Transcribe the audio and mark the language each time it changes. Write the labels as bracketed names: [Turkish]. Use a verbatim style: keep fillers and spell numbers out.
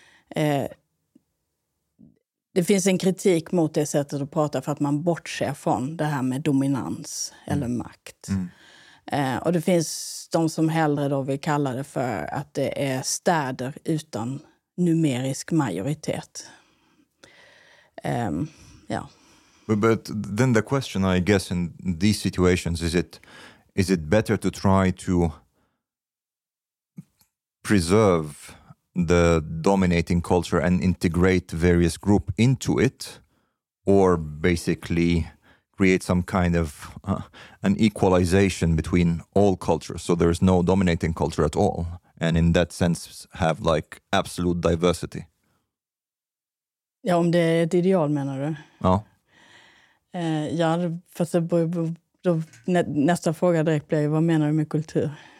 [Swedish] Eh, det finns en kritik mot det sättet att prata för att man bortser från det här med dominans mm. eller makt. Mm. Eh, och det finns de som hellre då vill kalla det för att det är städer utan numerisk majoritet. Eh, yeah. [English] But then the question I guess in these situations is it is it better to try to preserve the dominating culture and integrate various group into it, or basically create some kind of uh, an equalization between all cultures, so there's no dominating culture at all, and in that sense have like absolute diversity? [Swedish] Ja, om det är ett ideal menar du? Ja. Uh, ja, fast då, då, nä, nästa fråga direkt blir vad menar du med kultur?